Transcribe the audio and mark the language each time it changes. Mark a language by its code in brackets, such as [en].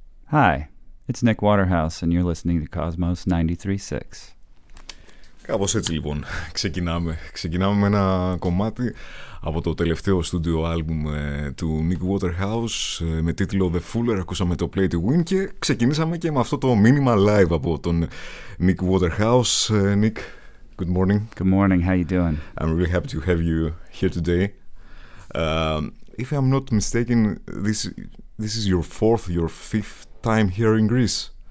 [en] Hi, it's Nick Waterhouse and you're listening to Cosmos 93.6. [el] Κάπως έτσι λοιπόν ξεκινάμε. Ξεκινάμε με ένα κομμάτι από το τελευταίο studio album του Nick Waterhouse με τίτλο The Fuller. Ακούσαμε το Play to Win και ξεκινήσαμε και με αυτό το μήνυμα live από τον Nick Waterhouse. [en] Nick, good morning. Good morning, how you doing? I'm really happy to have you here today. If I'm not mistaken, this is your fourth, your fifth time here in Greece?